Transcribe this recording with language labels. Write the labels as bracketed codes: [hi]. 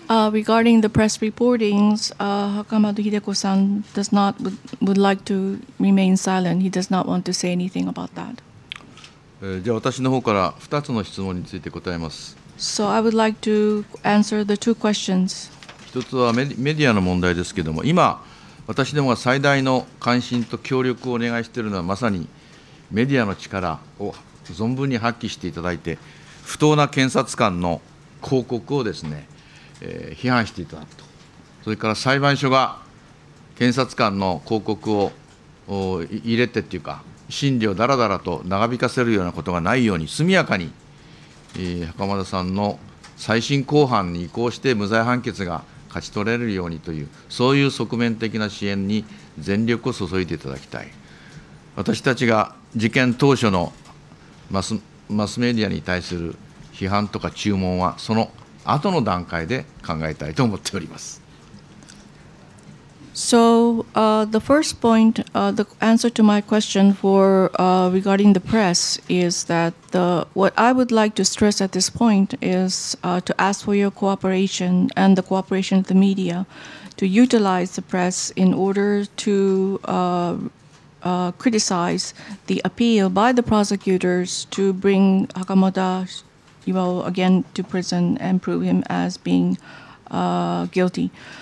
[en] regarding the press reportings, Hakamoto Hideko-san does not would like to remain silent. He does not want to say anything about that. [ja] じゃあ私の方から2つの質問について答えます。 [en] So I would like to answer the two questions. [ja] 一つはメディアの問題ですけれども、今私どもが最大の関心と協力をお願いしているのはまさにメディアの力を存分に発揮していただいて、不当な検察官の広告をですね。批判していただくと、それから裁判所が検察官の広告を入れてというか、審理をだらだらと長引かせるようなことがないように、速やかに袴田さんの再審公判に移行して、無罪判決が勝ち取れるようにという、そういう側面的な支援に全力を注いでいただきたい、私たちが事件当初のマスメディアに対する批判とか注文は、その後の段階で考えたいと思っております。 [en] So, the first point, the answer to my question for, regarding the press is that the, what I would like to stress at this point is, to ask for your cooperation and the cooperation of the media to utilize the press in order to, criticize the appeal by the prosecutors to bring Hakamoto again to prison and prove him as being guilty.